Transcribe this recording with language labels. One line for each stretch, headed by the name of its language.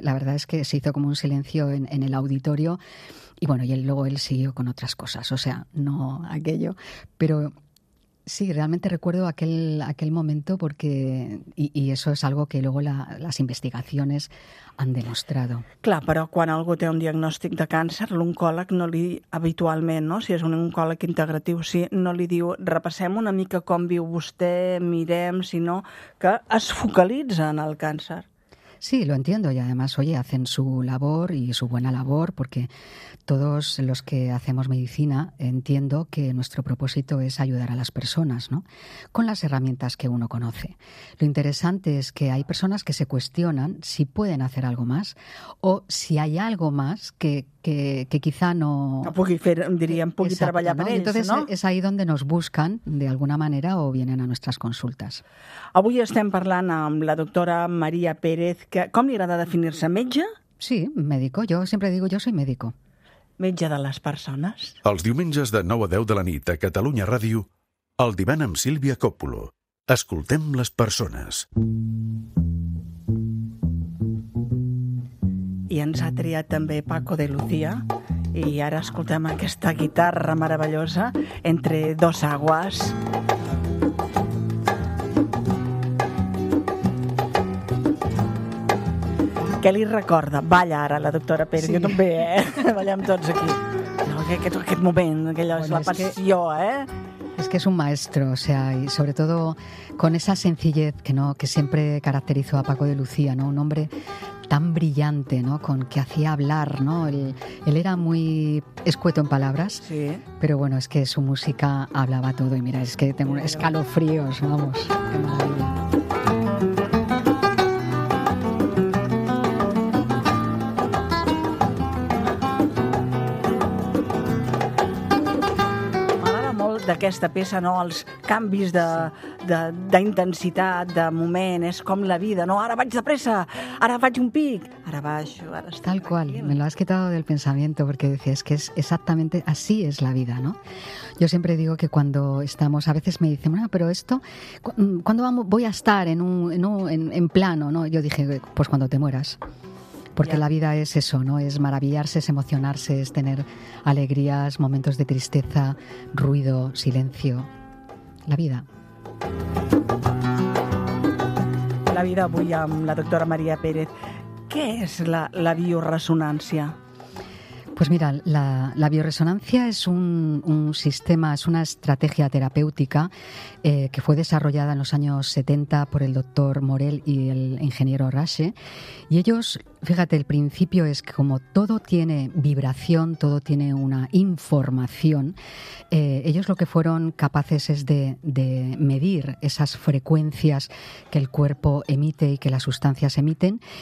Spanish: La verdad es que se hizo como un silencio en el auditorio y bueno, y él, luego él siguió con otras cosas, o sea, no aquello. Pero sí, realmente recuerdo aquel momento porque, y eso es algo que luego las investigaciones han demostrado.
Catalan: Clar, però quan algú té un diagnòstic de càncer, l'oncòleg no li, habitualment, no? Si és un oncòleg integratiu, sí, no li diu repassem una mica com viu vostè, mirem, sinó que es focalitza en el càncer.
Spanish: Sí, lo entiendo y además, oye, hacen su labor y su buena labor porque todos los que hacemos medicina entiendo que nuestro propósito es ayudar a las personas, ¿no? Con las herramientas que uno conoce. Lo interesante es que hay personas que se cuestionan si pueden hacer algo más o si hay algo más que quizá no...
Catalan: No pugui fer, dirían, pugui exacto, treballar ¿no? per ells,
Spanish: entonces, ¿no? Entonces es ahí donde nos buscan de alguna manera o vienen a nuestras consultas.
Catalan: Avui estem parlant amb la doctora María Pérez, que com li agrada definir-se, metge?
Spanish: Sí, médico. Yo siempre digo, yo soy médico.
Catalan: Metge de les persones. Els diumenges de 9 a 10 de la nit a Catalunya Ràdio, el divan amb Sílvia Coppolo. Escoltem les persones. I ens ha triat també Paco de Lucía. I ara escoltem aquesta guitarra meravellosa entre dos aguas. Què li recorda? Balla ara la doctora Pérez. Sí. Jo també, eh? Ballem tots aquí. No, aquest moment, aquella bueno, és la passió, eh?
Spanish: És que és un maestro, o sea, y sobre todo con esa sencillez que, no, que siempre caracterizó a Paco de Lucía, ¿no? Un hombre tan brillante, ¿no? Con que hacía hablar, ¿no? Él era muy escueto en palabras, sí. Pero bueno, es que su música hablaba todo y mira, es que tengo escalofríos, vamos. Qué maravilla.
Catalan: D'aquesta peça, no? Els canvis d'intensitat, de moment, és com la vida, no? Ara vaig de pressa, ara faig un pic, ara baixo, ara estic
Spanish: tal qual, me lo has quitado del pensamiento, porque decías que es exactamente así es la vida, ¿no? Yo siempre digo que cuando estamos, a veces me dicen, bueno, pero esto, ¿cuándo voy a estar en plano, no? Yo dije, pues cuando te mueras. Porque la vida es eso, ¿no? Es maravillarse, es emocionarse, es tener alegrías, momentos de tristeza, ruido, silencio. La vida.
Catalan: La vida avui amb la doctora María Pérez.
Spanish: ¿Qué es la bioresonancia? Pues mira, la bioresonancia es un sistema, es una estrategia terapéutica que fue desarrollada en los años 70 por el doctor Morel y el ingeniero Rasche. Y ellos, fíjate, el principio es que como todo tiene vibración, todo tiene una información, ellos lo que fueron capaces es de medir esas frecuencias que el cuerpo emite y que las sustancias emiten.